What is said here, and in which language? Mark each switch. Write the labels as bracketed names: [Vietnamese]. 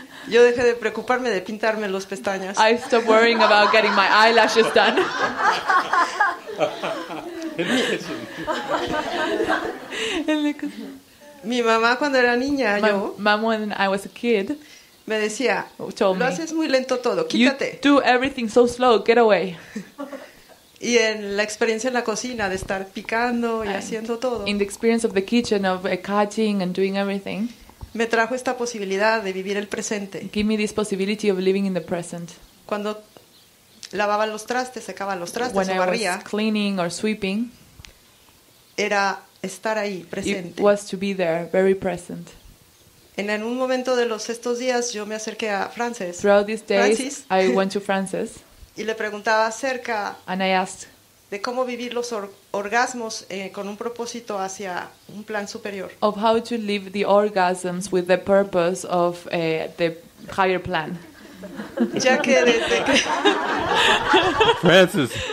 [Spanish] yo dejé de preocuparme de pintarme las pestañas. [English] I stopped worrying about getting my eyelashes done. [Spanish] Mi mamá cuando era niña, [English] my [Spanish] yo, [English] mom when I was a kid, [Spanish] me decía, [English] told [Spanish] lo haces muy lento todo, quítate. [English] You do everything so slow, get away. [Spanish] Y en la experiencia en la cocina de estar picando y haciendo todo. [English] In the experience of the kitchen of cutting and doing everything. [Spanish] Me trajo esta posibilidad de vivir el presente. [English] Give me this possibility of living in the present. [Spanish] Cuando lavaba los trastes, secaba los trastes, [English] when [Spanish] o barría. [English] When I was cleaning or sweeping. [Spanish] Era estar ahí, presente. [English] It was to be there, very present. [Spanish] En un momento de estos días, yo me acerqué a Frances. [English] Throughout these days, I went to Frances. [Spanish] Y le preguntaba acerca, [English] and I asked, [Spanish] de cómo vivir los orgasmos con un propósito hacia un plan superior. [English] Of how to live the orgasms with the purpose of the higher plan. [Spanish] Ya que desde que... Frances.